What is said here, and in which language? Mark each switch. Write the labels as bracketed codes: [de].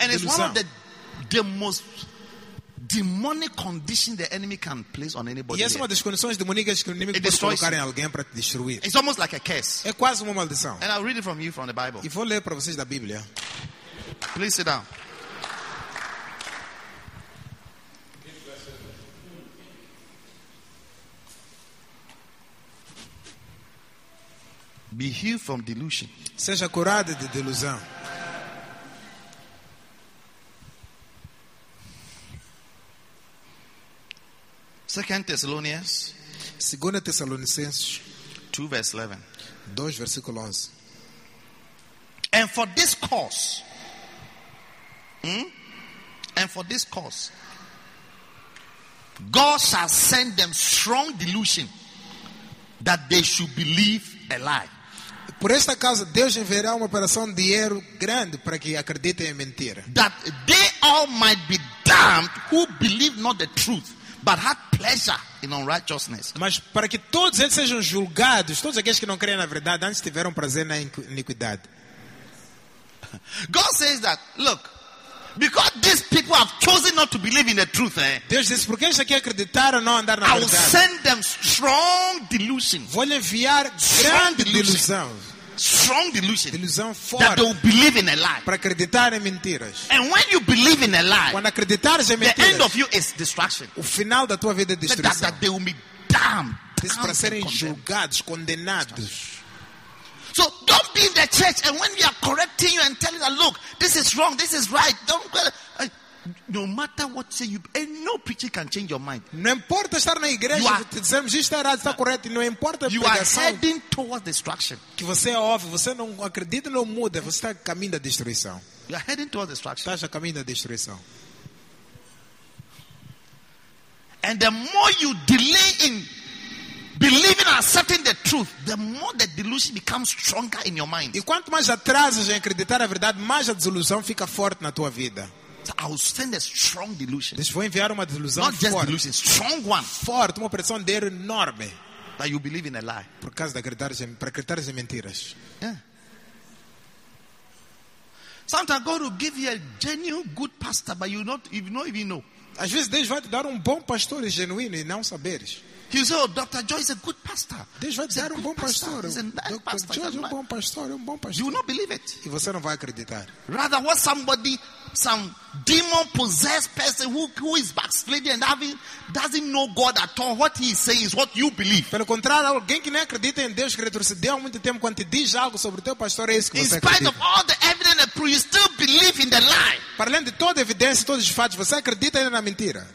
[en] And it's one of the most demonic conditions the enemy can place on anybody. [pt] E é uma das condições demoníacas que o inimigo pode colocar em alguém para te destruir. [en] It's almost like a curse. [pt] É quase uma maldição. [en] And I'll read it from you from the Bible. [pt] E vou ler para vocês da Bíblia. [en] Please sit down. Be healed from delusion. [pt] Seja curado de delusão. [en] Second Thessalonians, 2 Thessalonians 2 verse 11. [pt] 2 versículo 11. [en] And for this cause, and for this cause, God shall send them strong delusion that they should believe a lie. [pt] Por esta causa, Deus enviará uma operação de dinheiro grande para que acreditem em mentira. [en] That they all might be damned who believe not the truth, but have pleasure in unrighteousness. [pt] Mas para que todos eles sejam julgados, todos aqueles que não creem na verdade, antes tiveram prazer na iniquidade. [en] God says that, look, because these people have chosen not to believe in the truth, eh? [pt] Deus disse, porque eles aqui acreditaram não andar na verdade. [en] I will send them strong delusion. [pt] Vou enviar grande delusão. [en] Strong delusion. [pt] Delusão forte. [en] That they will believe in a lie. [pt] Para acreditar em mentiras. [en] And when you believe in a lie, [pt] quando acreditares em mentiras, [en] the end of you is destruction. [pt] O final da tua vida é destruição. [en] That they will be damned. [pt] Diz para serem julgados, condenados. [en] So don't be in the church, and when we are correcting you and telling you that, look, this is wrong, this is right, don't go. No matter what you say, you, and no preacher can change your mind. [pt] Não importa estar na igreja, dizemos isto errado, está correto, não importa. [en] You are heading towards destruction. [pt] Que você ouve, você não acredita, não muda, você está a caminho da destruição. [en] You are heading towards destruction. [pt] Está a caminho da destruição. [en] And the more you delay in believing and accepting the truth, the more the delusion becomes stronger in your mind. [pt] E quanto mais atrasas em acreditar a verdade, mais a desilusão fica forte na tua vida. [en] So I will send a strong delusion. [pt] Deixa eu enviar uma delusão forte. [en] Not just delusion, strong one. [pt] Forte, uma pressão de erro enorme. [en] That you believe in a lie. [pt] Por causa de acreditar em, para acreditar em mentiras. Yeah. [en] Sometimes God will give you a genuine good pastor, but you don't even know. [pt] Às vezes Deus vai te dar um bom pastor genuíno e não saberes. [en] He said, "Oh, Dr. Joy is a good pastor." [pt] Deus vai te dar um bom pastor. [en] Dr. Joy is a bom pastor. You will not believe it. [pt] E você não vai acreditar. [en] Rather, what somebody, some demon possessed person who is backsliding and having doesn't know God at all, what he is saying is what you believe. [pt] Pelo contrário, alguém que não acredita em Deus, que retrocedeu há muito tempo, quando te diz algo sobre o teu pastor, é isso que [en] in [pt] você [en] spite [pt] acredita. [en] Of all the evidence and proof, you still believe in the lie. [pt] Para além de toda a evidência, todos os fatos, você acredita ainda na mentira.